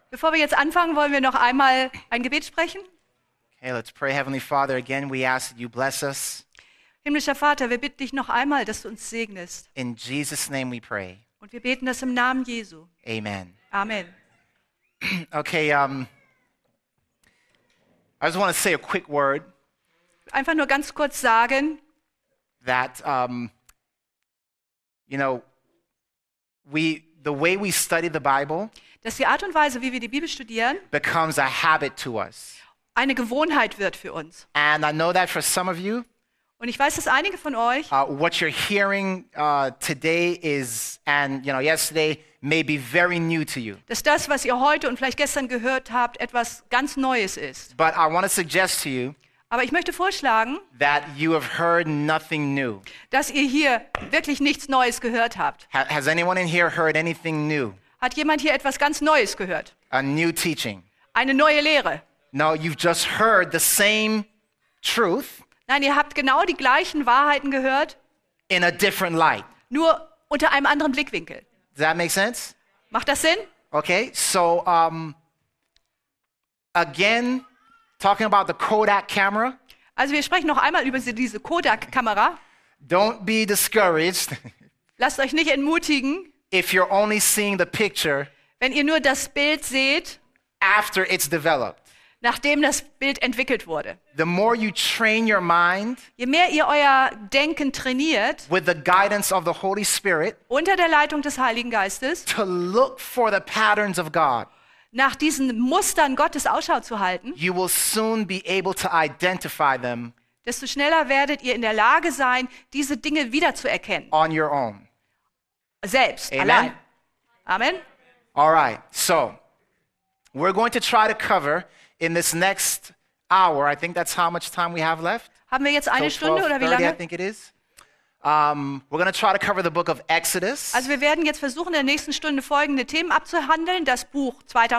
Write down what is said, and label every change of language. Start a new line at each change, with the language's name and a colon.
German: Bevor wir jetzt anfangen, wollen wir noch einmal ein Gebet sprechen.
English: Okay, let's pray. Heavenly Father, again, we ask that you bless us.
German: Himmlischer Vater, wir bitten dich noch einmal, dass du uns segnest.
English: In Jesus' name we pray.
German: Und wir beten das im Namen Jesu.
English: Amen.
German: Amen.
English: Okay, I just want to say a quick word.
German: Einfach nur ganz kurz sagen.
English: That, you know, the way we study the Bible,
German: dass die Art und Weise, wie wir die Bibel studieren,
English: becomes a habit to us.
German: Eine Gewohnheit wird für uns.
English: And I know that for some of you,
German: und ich weiß, dass einige von euch,
English: what you're hearing today is, and you know, yesterday may be very new to you.
German: Dass das, was ihr heute und vielleicht gestern gehört habt, etwas ganz Neues ist.
English: But I want to suggest to you,
German: aber ich möchte vorschlagen,
English: that you have heard nothing new.
German: Dass ihr hier wirklich nichts Neues gehört habt.
English: Has anyone in here heard anything new?
German: Hat jemand hier etwas ganz Neues gehört?
English: A new teaching.
German: Eine neue Lehre.
English: No, you've just heard the same truth.
German: Nein, ihr habt genau die gleichen Wahrheiten gehört.
English: In a different light.
German: Nur unter einem anderen Blickwinkel.
English: Does that make sense?
German: Macht das Sinn?
English: Okay, so again, talking about the Kodak camera.
German: Also wir sprechen noch einmal über diese Kodak-Kamera.
English: Don't be discouraged.
German: Lasst euch nicht entmutigen.
English: If you're only seeing the picture,
German: wenn ihr nur das Bild seht,
English: after it's developed,
German: nachdem das Bild entwickelt wurde,
English: the more you train your mind,
German: je mehr ihr euer Denken trainiert,
English: with the guidance of the Holy Spirit,
German: unter der Leitung des Heiligen Geistes,
English: to look for the patterns of God,
German: nach diesen Mustern Gottes Ausschau zu halten,
English: you will soon be able to identify them,
German: desto schneller werdet ihr in der Lage sein, diese Dinge wiederzuerkennen,
English: on your own.
German: Selbst,
English: Amen.
German: Allein. Amen.
English: All right. So, we're going to try to cover in this next hour. I think that's how much time we have left.
German: Haben wir jetzt eine so Stunde 12, 30, oder wie lange?
English: I think it is. We're going to try to cover the book of Exodus.
German: Also, wir werden jetzt versuchen, in der nächsten Stunde folgende Themen abzuhandeln: das Buch 2.